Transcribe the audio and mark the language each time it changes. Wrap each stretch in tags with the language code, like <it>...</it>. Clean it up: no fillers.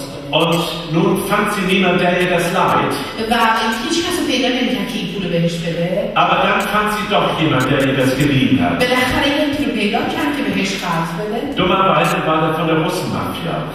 <de>Und nun fand sie niemand, der ihr das leiht.</de> <fa>رو بهش بده.</fa> <de>Aber dann fand sie doch jemand, der ihr das geliehen hat.</de> <fa>بالاخره یه نفر پیدا کرد که بهش قرض بده.</fa> <de>Dummerweise war der von der Russenmafia.</de>